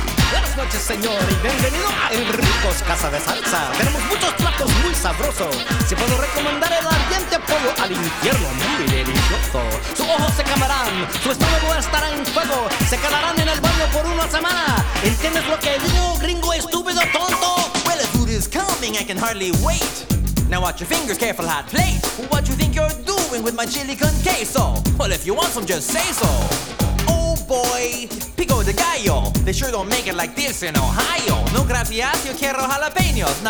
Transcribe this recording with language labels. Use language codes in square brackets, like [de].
[es] Buenas noches, señor, y bienvenido a Enrico's Casa de Salsa. Tenemos muchos platos muy sabrosos. Si puedo recomendar el ardiente pollo al infierno, muy delicioso. Sus ojos se quemarán, su estómago estará en fuego. Se quedarán en el baño por una semana. ¿Entiendes lo que digo, gringo estúpido tonto? [en] Well, the food is coming, I can hardly wait. Now watch your fingers, careful hot plate. What you think you're doing with my chili con queso? Well, if you want some, just say so. Boy, pico de gallo. They sure don't make it like this in Ohio. [es] No gracias, yo quiero jalapenos.